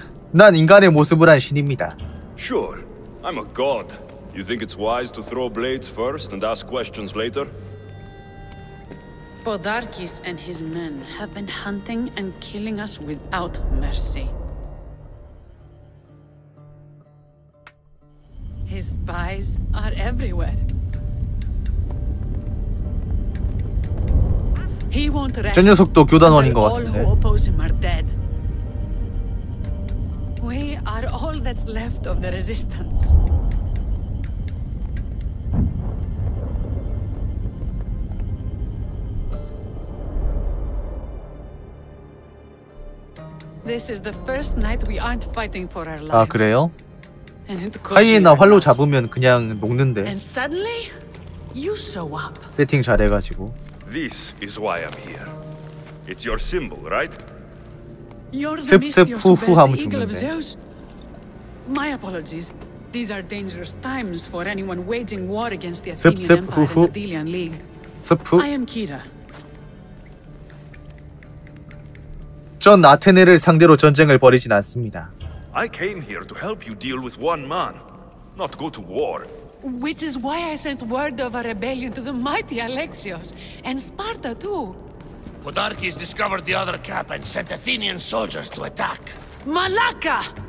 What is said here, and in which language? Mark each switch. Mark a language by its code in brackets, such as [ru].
[ko] 난 인간의 모습을 한 신입니다. [en] Sure, I'm a god. You think it's wise to throw blades first and ask questions later? Podarkis and his men have been hunting and killing us without mercy. His spies are everywhere. He won't rest. [ko] 저 녀석도 교단원인 것 같은데. [en] All who oppose him are dead. We are all that's left of the resistance. This is the first night we aren't fighting for our lives. [ko] 아 그래요? 하이에나 활로 잡으면 그냥 녹는데. [en] And suddenly, you show up. [ko] 세팅 잘해가지고. [en] This is why I'm here. It's your symbol, right? You're the mysterious eagle of Zeus. My apologies. These are dangerous times for anyone waging war against the Athenian Empire and the Delian League. I am Kira. [ko] 전 아테네를 상대로 전쟁을 벌이진 않습니다. [en] I came here to help you deal with one man, not go to war. Which is why I sent word of a rebellion to the mighty Alexios and Sparta too. Podarkis discovered the other camp and sent Athenian soldiers to attack. Malacca!